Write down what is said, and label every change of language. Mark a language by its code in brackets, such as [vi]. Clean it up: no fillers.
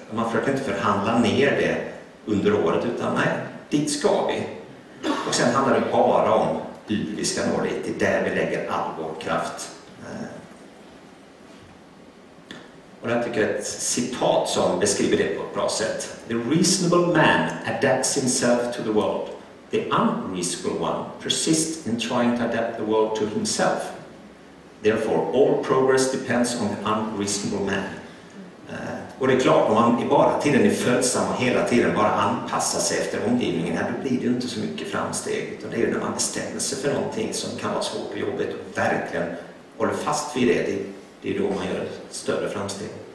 [sv] Man försöker inte förhandla ner det under året, utan nej, dit ska vi. Och sen handlar det bara om hur vi ska nå dit, det är där vi lägger all vår kraft. Och jag tycker ett citat som beskriver det på ett bra sätt. [en] The reasonable man adapts himself to the world. The unreasonable one persists in trying to adapt the world to himself. Therefore, all progress depends on the unreasonable man. [sv] Och det är klart, om man bara tiden är följsam och hela tiden bara anpassar sig efter omgivningen, då blir det inte så mycket framsteg. Utan det är när man bestämmer sig för någonting som kan vara svårt på jobbet och verkligen håller fast vid det. Det är då man gör ett större framsteg.